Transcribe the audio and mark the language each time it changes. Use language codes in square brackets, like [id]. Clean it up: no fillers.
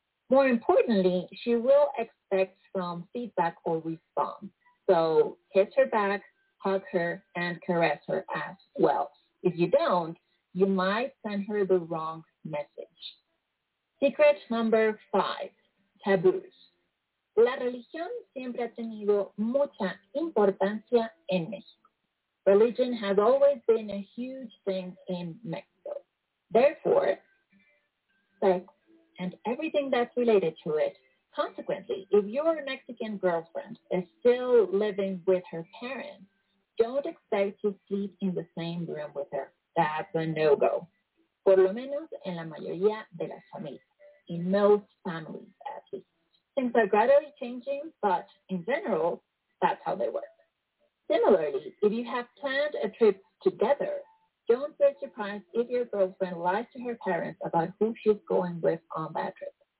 [en] More importantly, she will expect some feedback or response. So kiss her back, hug her, and caress her as well. If you don't, you might send her the wrong message. Secret number 5, taboos. [es] La religión siempre ha tenido mucha importancia en México. [en] Religion has always been a huge thing in Mexico. Therefore, sex and everything that's related to it. Consequently, if your Mexican girlfriend is still living with her parents, don't expect to sleep in the same room with her. That's a no-go. [es] Por lo menos en la mayoría de las familias. [en] In most families, at least. Things are gradually changing, but in general, that's how they work. Similarly, if you have planned a trip together, don't be surprised if your girlfriend lies to her parents about who she's going with on that trip.